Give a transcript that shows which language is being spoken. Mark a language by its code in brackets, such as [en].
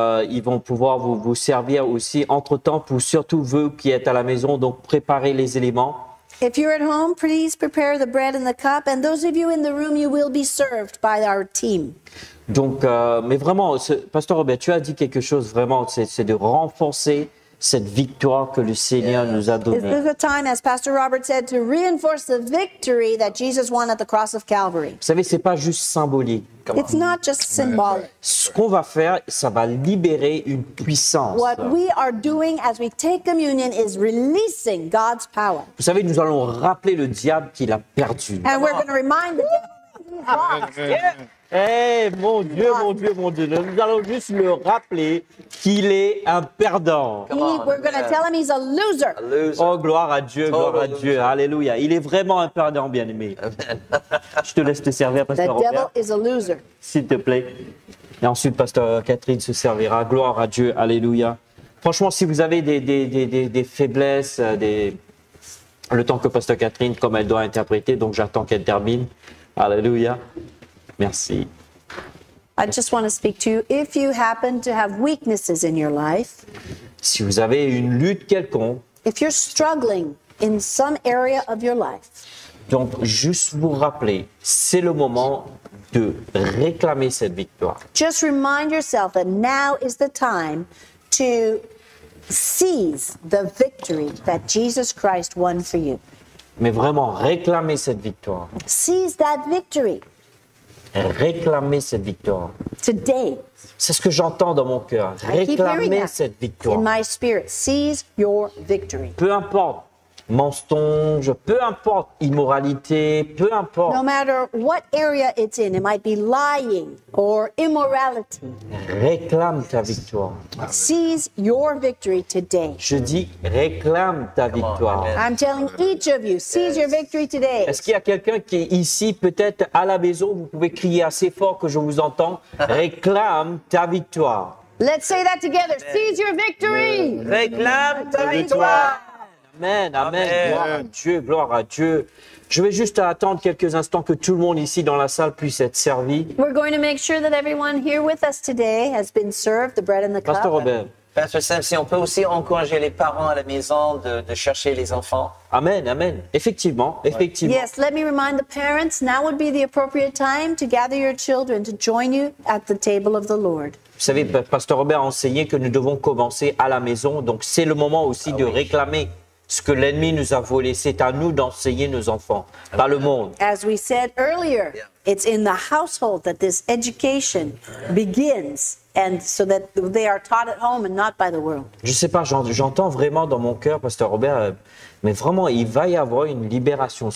[fr] Ils vont pouvoir vous servir aussi. Entre-temps, pour surtout vous qui êtes à la maison, donc préparez les éléments. [en] If you're at home, please prepare the bread and the cup. And those of you in the room, you will be served by our team. [fr] Donc, mais vraiment, Pasteur Robert, tu as dit quelque chose vraiment, c'est de renforcer cette victoire que le Seigneur nous a donnée. [en] This is the time, as Pastor Robert said, to reinforce the victory that Jesus won at the cross of Calvary. [fr] Vous savez, c'est pas juste symbolique. [en] It's not just symbolic. [fr] Ce qu'on va faire, ça va libérer une puissance. [en] What we are doing as we take communion is releasing God's power. [fr] Vous savez, nous allons rappeler le diable qu'il a perdu. [en] And we're going to remind the devil. [fr] Eh, hey, mon Dieu, mon Dieu, mon Dieu. Nous allons juste le rappeler qu'il est un perdant. [en] We're going to tell him he's a loser. [fr] Oh, gloire à Dieu, gloire à Dieu. Alléluia. Il est vraiment un perdant, bien-aimé. Je te laisse te servir, Pasteur Robert. [en] The devil is a loser. [fr] S'il te plaît. Et ensuite, Pasteur Catherine se servira. Gloire à Dieu. Alléluia. Franchement, si vous avez des faiblesses, le temps que Pasteur Catherine, comme elle doit interpréter, donc j'attends qu'elle termine. Alléluia. Merci. [en] I just want to speak to you. If you happen to have weaknesses in your life, [fr] si vous avez une lutte quelconque, [en] if you're struggling in some area of your life, [fr] donc juste vous rappeler, c'est le moment de réclamer cette victoire. [en] Just remind yourself that now is the time to seize the victory that Jesus Christ won for you. [fr] Mais vraiment, réclamez cette victoire. [en] Seize that victory. [fr] Réclamer cette victoire. [en] Today, [fr] c'est ce que j'entends dans mon cœur. Réclamer cette victoire. [en] In my spirit, seize your victory. [fr] Peu importe mensonge, peu importe immoralité, peu importe. [en] No matter what area it's in, it might be lying or immorality. [fr] Réclame ta victoire. [en] Seize your victory today. [fr] Je dis réclame ta Come victoire. [en] On, I'm telling each of you, seize your victory today. [fr] Est-ce qu'il y a quelqu'un qui est ici, peut-être à la maison, vous pouvez crier assez fort que je vous entends, réclame ta victoire. [en] Let's say that together. Seize your victory. [fr] Réclame ta victoire. Amen, amen, amen. Gloire à Dieu, gloire à Dieu. Je vais juste attendre quelques instants que tout le monde ici dans la salle puisse être servi. [en] We're going to make sure that everyone here with us today has been served the bread and the cup. [fr] Pasteur Robert. Pasteur Sam, si on peut aussi encourager les parents à la maison de chercher les enfants. Amen, amen. Effectivement, effectivement. [en] Yes, let me remind the parents, now would be the appropriate time to gather your children to join you at the table of the Lord. [fr] Vous savez, Pasteur Robert a enseigné que nous devons commencer à la maison, donc c'est le moment aussi de réclamer ce que l'ennemi nous a volé, c'est à nous d'enseigner nos enfants, pas le monde. [en] As we said earlier, it's in the household that this education begins, and so that they are taught at home and not by the world. [fr] Je ne sais pas, j'entends vraiment dans mon cœur, Pasteur Robert, mais vraiment, il va y avoir une libération.